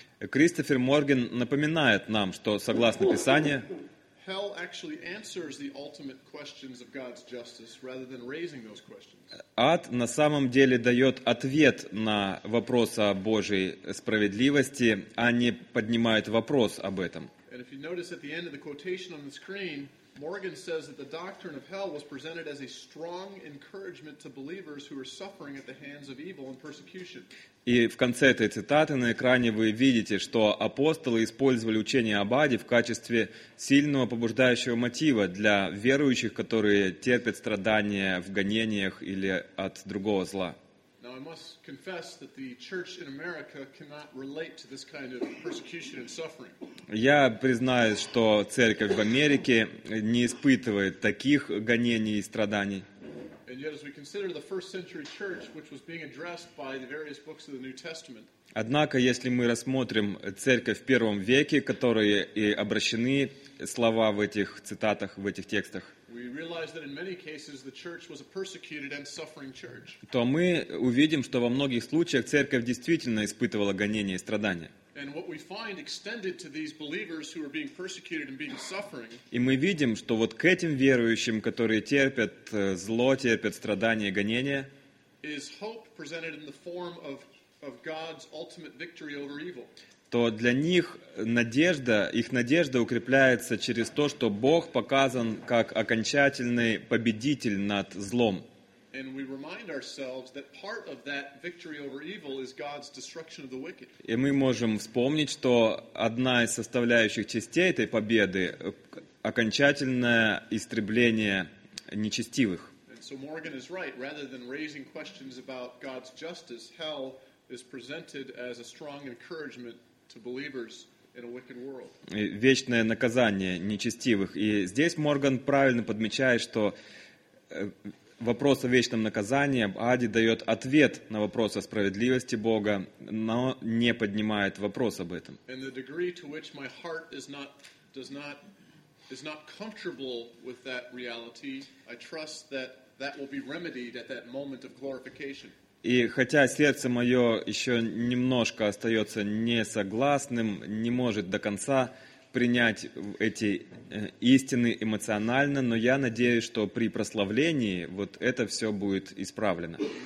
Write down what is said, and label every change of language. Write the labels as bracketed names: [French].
[Russian] Кристофер Морган напоминает нам, что согласно Писанию, [English] Hell actually answers the ultimate questions of God's justice rather than raising those questions. [Russian] Ад на самом деле дает ответ на вопрос о Божьей справедливости, а не поднимает вопрос об этом. [English] And if you notice at the end of the quotation on the screen, Morgan says that the doctrine of hell was presented as a strong encouragement to believers who are suffering at the hands of evil and persecution. [Russian] И в конце этой цитаты на экране вы видите, что апостолы использовали учение об аде в качестве сильного побуждающего мотива для верующих, которые терпят страдания в гонениях или от другого зла. [English] Now I must confess that the church in America cannot relate to this kind of persecution and suffering. [Russian] Я признаюсь, что церковь в Америке не испытывает таких гонений и страданий. [English] And yet, as we consider the first century church, which was being addressed by the various books of the New Testament. [Russian] Однако, если мы рассмотрим церковь в первом веке, которые и обращены слова в этих цитатах, в этих текстах. [English] We realize that in many cases the church was a persecuted and suffering church. [Russian] То мы увидим, что во многих случаях церковь действительно испытывала гонения и страдания. [English] And what we find extended to these believers who are being persecuted and being suffering. [Russian] И мы видим, что вот к этим верующим, которые терпят зло, терпят страдания, гонения, [English] is hope presented in the form of God's ultimate victory over evil. [Russian] То для них надежда, их надежда укрепляется через то, что Бог показан как окончательный победитель над злом. И мы можем вспомнить, что одна из составляющих частей этой победы — окончательное истребление нечестивых. [English] И так Морган прав, вместо того, чтобы поднимать вопросы о Божьей справедливости, hell is presented as a strong encouragement to believers in a wicked world. [Russian] Вечное наказание нечестивых. И здесь Морган правильно подмечает, что вопрос о вечном наказании, Ади дает ответ на вопрос о справедливости Бога, но не поднимает вопрос об этом. [English] And the degree to which my heart is not comfortable with that reality, I trust that will be remedied at that moment of glorification. [Russian] И хотя сердце мое еще немножко остается несогласным, не может до конца принять эти истины эмоционально, но я надеюсь, что при прославлении вот это все будет исправлено.